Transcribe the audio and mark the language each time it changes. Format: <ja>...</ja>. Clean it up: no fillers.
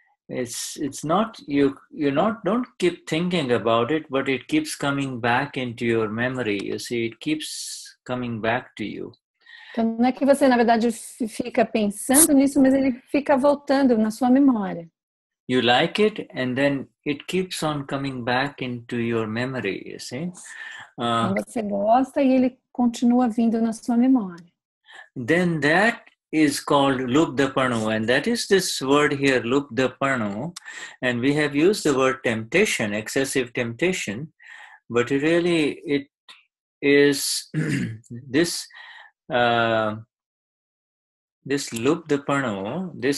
<en>It's not you don't keep thinking about it, but it keeps coming back into your memory. You see, it keeps coming back to you.</en> <pt>Então, não é que você na verdade fica pensando nisso, mas ele fica voltando na sua memória.</pt> <en>You like it, and then it keeps on coming back into your memory. You see,</en> <pt>você gosta e ele continua vindo na sua memória.</pt> <en>Then that is called lubdhapanoo, and that is this word here, lubdhapanoo, and we have used the word temptation, excessive temptation, but really it is this lubdhapanoo,</en>